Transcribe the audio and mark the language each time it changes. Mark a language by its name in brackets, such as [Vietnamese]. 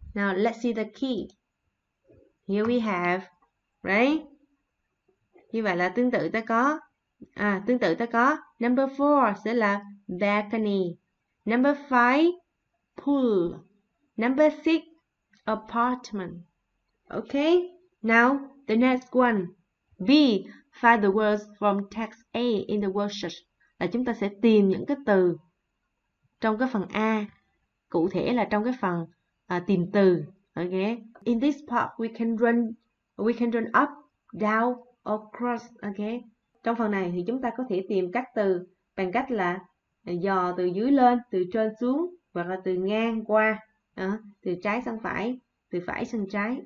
[English] Now let's see the key. Here we have, right? [Vietnamese] Như vậy là tương tự ta có, tương tự ta có number 4 sẽ là balcony, number 5 pool, number 6 apartment. [English] Ok, now the next one. B, find the words from text A in the word search. [Vietnamese] Là chúng ta sẽ tìm những cái từ trong cái phần A, cụ thể là trong cái phần tìm từ. [English] Ok, in this part we can run up, down or cross. [Vietnamese] Ok, trong phần này thì chúng ta có thể tìm các từ bằng cách là dò từ dưới lên, từ trên xuống, hoặc là từ ngang qua, từ trái sang phải, từ phải sang trái.